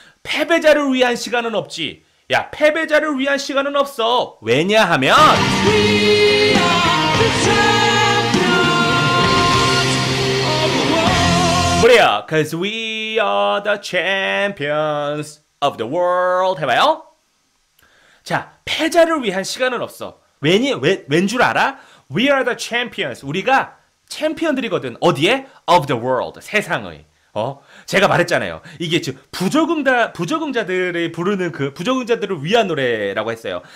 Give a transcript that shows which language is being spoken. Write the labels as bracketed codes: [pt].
[ko] 패배자를 위한 시간은 없지. 야, 패배자를 위한 시간은 없어. 왜냐하면 [en] We are the champions of the world. [ko] 그래요. [en] Cause we are the champions of the world. [ko] 해봐요. 자, 패자를 위한 시간은 없어. 왜니? 웬 줄 알아? [en] We are the champions. [ko] 우리가 챔피언들이거든. 어디에? [en] Of the world. [ko] 세상의. 어? 제가 말했잖아요. 이게 지금 부적응자들이 부르는 그 부적응자들을 위한 노래라고 했어요.